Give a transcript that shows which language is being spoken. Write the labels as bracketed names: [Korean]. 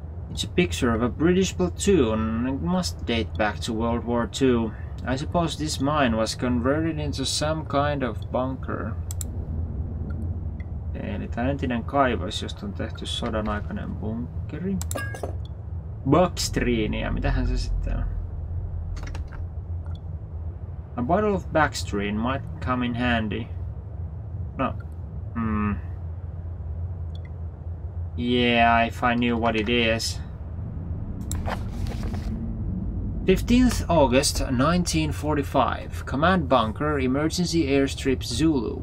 [English] It's a picture of a British platoon. It must date back to World War II. I suppose this mine was converted into some kind of bunker. [Finnish] Eli tämä entinen kaivos, josta on tehty sodan aikainen bunkeri. Backstreenia, mitähän se sitten on? [English] A bottle of backstreen might come in handy. [Finnish] No. [English] Yeah, if I knew what it is. 15th August 1945. Command Bunker, Emergency Airstrip Zulu.